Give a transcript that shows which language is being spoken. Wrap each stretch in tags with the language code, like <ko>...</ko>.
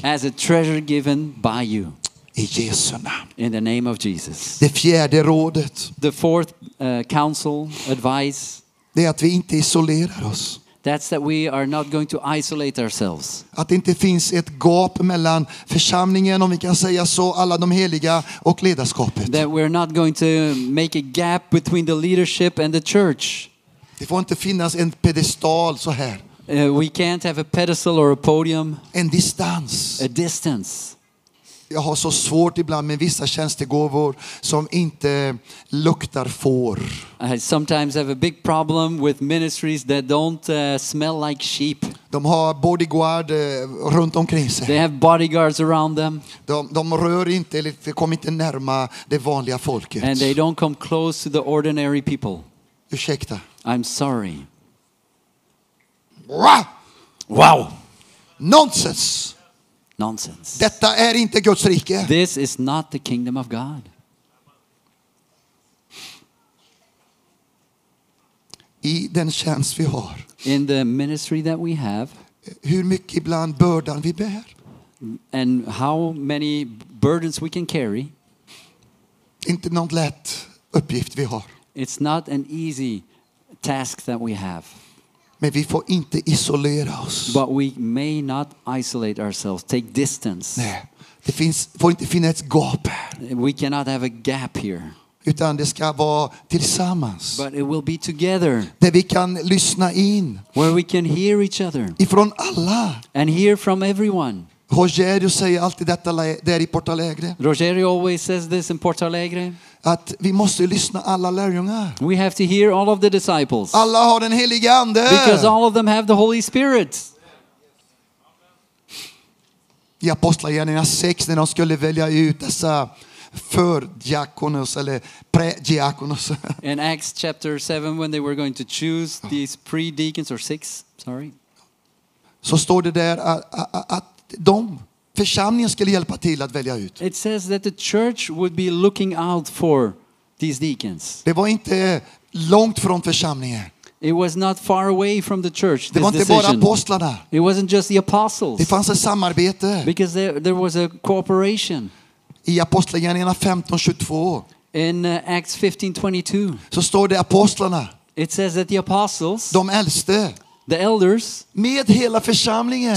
<en>As a treasure given by you.</en> <sv>I Jesu namn.</sv> <en>In the name of Jesus.</en> <sv>Det fjärde rådet.</sv> <en>The fourth counsel, advice.</en> <sv>Det är att vi inte isolerar oss.</sv> <en>That's that we are not going to isolate ourselves.</en> <sv>Att det inte finns ett gap mellan församlingen, om vi kan säga så, alla de heliga och ledarskapet.</sv> <en>That we're not going to make a gap between the leadership and the church.</en> <sv>Det får inte finnas en pedestal så här.</sv> <en>We can't have a pedestal or a podium.</en> <sv>En distans.</sv> <en>A distance.</en> <sv>Jag har så svårt ibland med vissa tjänstegåvor som inte luktar får.</sv> <en>I sometimes have a big problem with ministries that don't smell like sheep.</en> <sv>De har bodyguard runt omkring sig.</sv> <en>They have bodyguards around them.</en> <sv>De rör inte eller de kommer inte närma det vanliga folket.</sv> <en>And they don't come close to the ordinary people.</en> <sv>Ursäkta.</sv> <en>I'm sorry. Wow. Nonsense. Nonsense.</en> <sv>Detta är inte Guds rike.</sv> <en>This is not the kingdom of God.</en> <sv>I den tjänst vi har.</sv> <en>In the ministry that we have.</en> <sv>Hur mycket ibland bördan vi bär.</sv> <en>And how many burdens we can carry.</en> <sv>Inte någon lätt uppgift vi har.</sv> <en>It's not an easy task that we have.</en> <sv>Men vi får inte isolera oss.</sv> <en>But we may not isolate ourselves. Take distance.</en> <sv>Nej, det får inte finnas ett gap.</sv> <en>We cannot have a gap here.</en> <sv>Utan det ska vara tillsammans.</sv> <en>But it will be together.</en> <sv>Där vi kan lyssna in.</sv> <en>Where we can hear each other.</en> <sv>Ifrån alla.</sv> <en>And hear from everyone.</en> <sv>Rogerio säger alltid detta där i Porto Alegre.</sv> <en>Rogerio always says this in Porto Alegre.</en> <sv>Att vi måste lyssna alla lärjungar.</sv> <en>We have to hear all of the disciples.</en> <sv>Alla har den helige ande.</sv> <en>Because all of them have the Holy Spirit.</en> <sv>I Apostlagärningarna 6 när de skulle välja ut dessa fördiakonos eller prediakonos.</sv> <en>In Acts chapter 7 when they were going to choose these pre-deacons or 6, sorry.</en> <sv>Så står det där att de församlingen skulle hjälpa till att välja ut.</sv> <en>It says that the church would be looking out for these deacons.</en> <sv>Det var inte långt från församlingen.</sv> <en>It was not far away from the church.</en> <sv>Det var inte</sv> <en>decision.</en> <sv>Bara apostlarna.</sv> <en>It wasn't just the apostles.</en> <sv>Det fanns ett samarbete.</sv> <en>Because there was a cooperation.</en> <sv>I Apostlagärningarna 15:22.</sv> <en>In Acts 15:22.</en> <sv>Så står det apostlarna.</sv> <en>It says that the apostles.</en> <sv>De äldste.</sv> <en>The elders.</en> <sv>Med hela församlingen.</sv>